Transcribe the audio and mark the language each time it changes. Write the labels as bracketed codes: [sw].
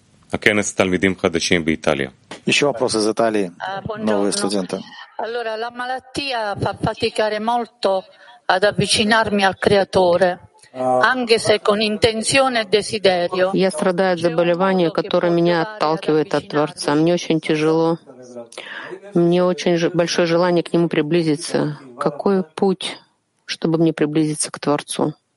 [he] А кенес талмидим хадашим [ru] в Италии. Еще вопрос из Италии. Новые студенты. [it] Allora, la malattia fa faticare molto ad avvicinarmi al Creatore. Anche se con intenzione e desiderio. [ru] Я страдаю от заболевания, которое меня отталкивает от Творца. Мне очень тяжело. Мне очень большое желание к Нему приблизиться. Какой путь, чтобы мне приблизиться к Творцу?